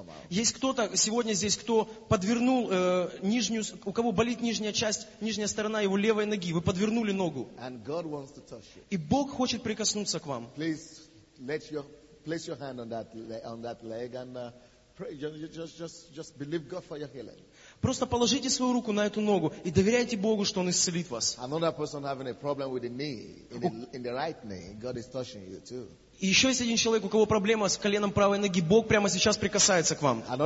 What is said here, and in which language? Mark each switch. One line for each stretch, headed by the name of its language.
Russian: Есть кто-то сегодня здесь, кто подвернул нижнюю, у кого болит нижняя часть, нижняя сторона его левой ноги. Вы подвернули ногу.
English: And God wants to touch you.
Russian: И Бог хочет прикоснуться к вам.
English: Please let your place your hand on that leg and pray. Just believe God for your healing.
Russian: Просто положите свою руку на эту ногу и доверяйте Богу, что Он исцелит вас. Еще есть один человек, у кого проблема с коленом правой ноги. Бог прямо сейчас прикасается к вам.